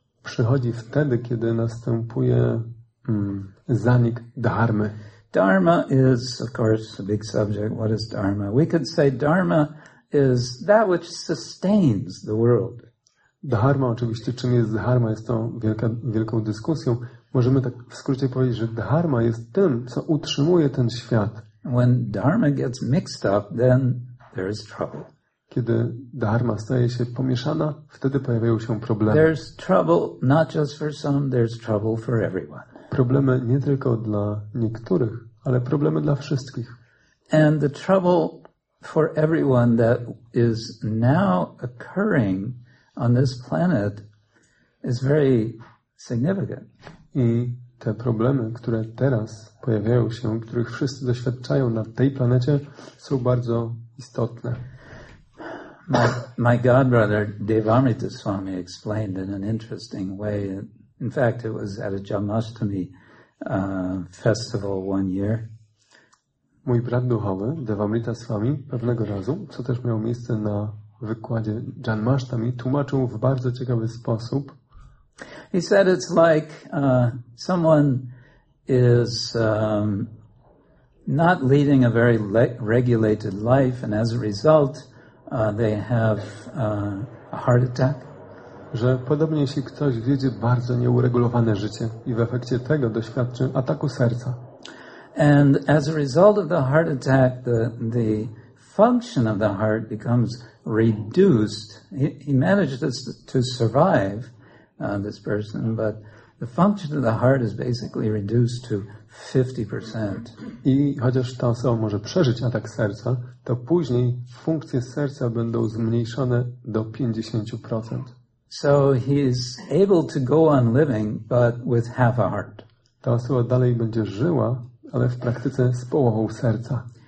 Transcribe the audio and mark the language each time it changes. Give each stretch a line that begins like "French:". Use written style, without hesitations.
Polish: Przychodzi wtedy, kiedy następuje zanik dharmy.
English: Dharma is of course a big subject. What is dharma? We could say dharma is that which sustains the world.
Polish: Dharma oczywiście, czym jest dharma, jest to wielką dyskusją. Możemy tak w skrócie powiedzieć, że dharma jest tym, co utrzymuje ten świat.
English: When dharma gets mixed up, then there is trouble.
Polish: Kiedy dharma staje się pomieszana, wtedy pojawiają się problemy.
English: There's trouble not just for some, there's trouble for everyone.
Polish: Problemy nie tylko dla niektórych, ale problemy dla wszystkich.
English: And the trouble for everyone that is now occurring on this planet is very significant.
Polish: I te problemy, które teraz pojawiają się, których wszyscy doświadczają na tej planecie, są bardzo istotne.
English: My godbrother Devamrita Swami explained in an interesting way. In fact, it was at a Janmashtami festival one year.
Polish: Mój brat duchowy Devamrita Swami pewnego razu, co też miało miejsce na wykładzie Janmashtami, tłumaczył w bardzo ciekawy sposób.
English: He said it's like someone is not leading a very regulated life, and as a result, they have a heart attack.
Polish: Że podobnie, jeśli ktoś wiedzie bardzo nieuregulowane życie i w efekcie tego doświadczy ataku serca.
English: And as a result of the heart attack, the function of the heart becomes reduced. He managed to survive, this person, but the function of the heart is basically reduced to 50%.
Polish: I chociaż ta osoba może przeżyć atak serca, to później funkcje serca będą zmniejszone do 50%.
English: So he's able to go on living, but with half a heart.
Polish: Ta osoba dalej będzie żyła, ale w praktyce z połową serca.